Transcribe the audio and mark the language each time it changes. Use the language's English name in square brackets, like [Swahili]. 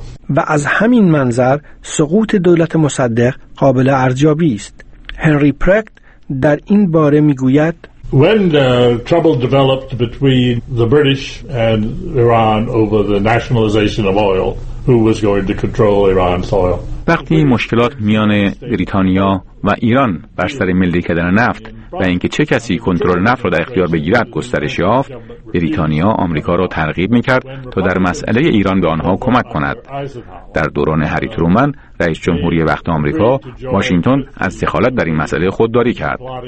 [Persian] و از همین منظر سقوط دولت مصدق قابل ارزیابی است. هنری پرکت در این باره میگوید: [English] When the trouble developed between the British and Iran over the nationalization of oil, who was going to control Iran's oil? [Persian] وقتی مشکلات میان بریتانیا و ایران بر سر ملی کردن نفت و اینکه چه کسی کنترل نفت را در اختیار بگیرد گسترش یافت، بریتانیا آمریکا را ترغیب می‌کرد تا در مسئله ایران به آنها کمک کند. در دوران هری ترومن، رئیس جمهوری وقت آمریکا، واشنگتن از دخالت در این مسئله خودداری کرد.